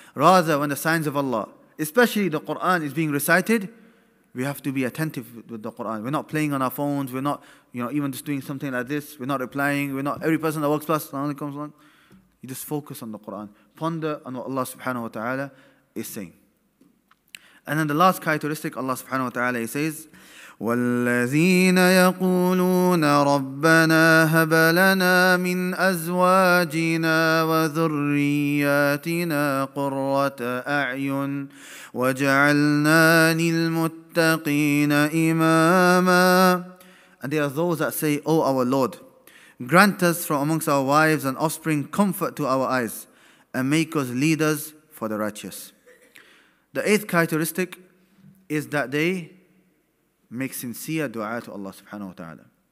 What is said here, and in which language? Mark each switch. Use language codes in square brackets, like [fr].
[en] Rather, when the signs of Allah, especially the Quran, is being recited, we have to be attentive with the Quran. We're not playing on our phones. We're not, you know, even just doing something like this. We're not replying. We're not every person that walks past suddenly comes along. You just focus on the Quran. Ponder on what Allah subhanahu wa ta'ala is saying. And then the last characteristic, Allah subhanahu wa ta'ala, he says, [ar] والذين يقولون ربنا هب لنا من أزواجنا وذرياتنا قرة أعين وجعلنا للمتقين إماما. [en] And there are those that say, O our Lord, grant us from amongst our wives and offspring comfort to our eyes, and make us leaders for the righteous. The eighth characteristic is that they make sincere dua to Allah subhanahu wa ta'ala.